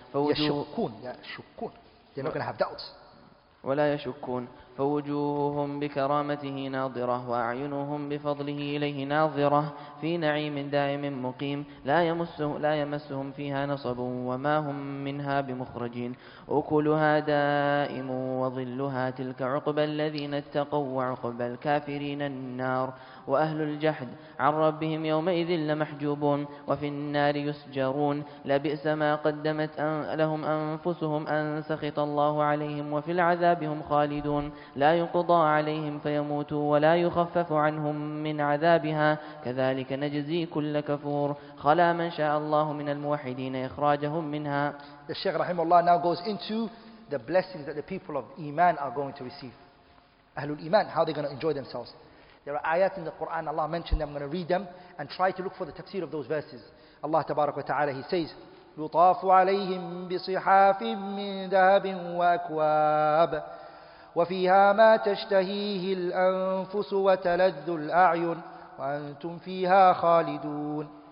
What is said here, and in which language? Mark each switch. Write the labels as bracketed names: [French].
[Arabic] يشكون يشكون [English] They're not going to have doubts. [Arabic] ولا يشكون فوجوههم بكرامته ناظرة وأعينهم بفضله إليه ناظرة في نعيم دائم مقيم لا يمسهم فيها نصب وما هم منها بمخرجين أكلها دائم وظلها تلك عقبى الذين اتقوا وعقبى الكافرين النار وأهل الجحد عن ربهم يومئذ لمحجوبون وفي النار يسجرون لبئس ما قدمت لهم أنفسهم أن سخط الله عليهم وفي العذاب هم خالدون لا يقضى عليهم فيموتوا ولا يخفف عنهم من عذابها كذلك نجزي كل كفور خلا من شاء الله من الموحدين إخراجهم منها. [English] The Shaykh rahimahullah now goes into the blessings that the people of Iman are going to receive. Ahlul Iman, how they're going to enjoy themselves. There are ayat in the Quran, Allah mentioned them. I'm going to read them and try to look for the tafsir of those verses. Allah tabarak wa ta'ala, he says, [Arabic] يُطَافُ عَلَيْهِمْ بِصِحَافٍ مِّن ذَهَبٍ وَأَكْوَابٍ وَفِيهَا مَا تَشْتَهِيهِ الْأَنفُسُ وَتَلَذُّ الْأَعْيُنُ وَأَنْتُمْ فِيهَا خَالِدُونَ.